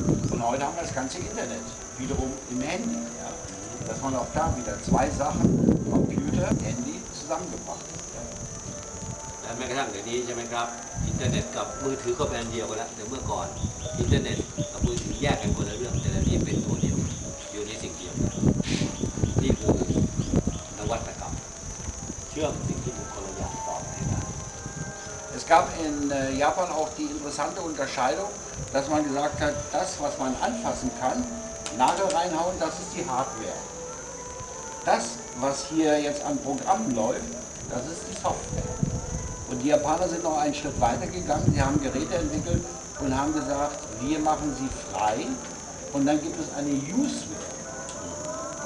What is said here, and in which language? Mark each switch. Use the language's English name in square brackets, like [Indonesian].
[German] Und heute haben wir das ganze Internet wiederum im Handy. Ja. Dass man auch da wieder zwei Sachen, Computer, Handy, zusammengebracht hat. Ja. Dann merkt man ja, die ist ja mein Grab. [Thai] Internet กับมือถือก็เป็นอันเดียวกันแล้วแต่เมื่อก่อนอินเทอร์เน็ตกับมือถือแยกกันคนละเรื่องแต่ตอนนี้เป็นตัวเดียวอยู่ในสิ่งเดียวกันนี่คือนวัตกรรมเชื่อมสิ่งที่บุคคลอย่างต่อไปกัน [German] Es gab in Japan auch die interessante Unterscheidung, dass man gesagt hat, das was man anfassen kann, Nagel reinhauen, das ist die Hardware. Das was hier jetzt an Programmen läuft, das ist die Software. Und die Japaner sind noch einen Schritt weiter gegangen, sie haben Geräte entwickelt und haben gesagt, wir machen sie frei und dann gibt es eine Usware.